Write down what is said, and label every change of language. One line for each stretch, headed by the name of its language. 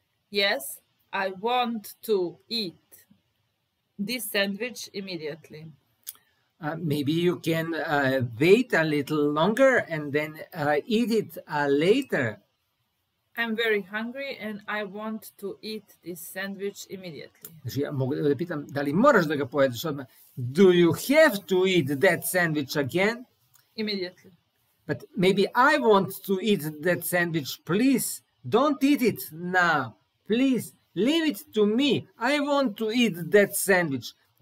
English: Yes, I want to eat this sandwich immediately. Maybe you can wait a little longer and then eat it later. I'm very hungry and I want to eat this sandwich immediately.
Serbian: Znači, ja mogu da pitam, da li moraš da ga pojedeš odmah?
English: Do you have to eat that sandwich again? Immediately. But maybe I want to eat that sandwich. Please, don't eat it now. Please, leave it to me. I want to eat that sandwich.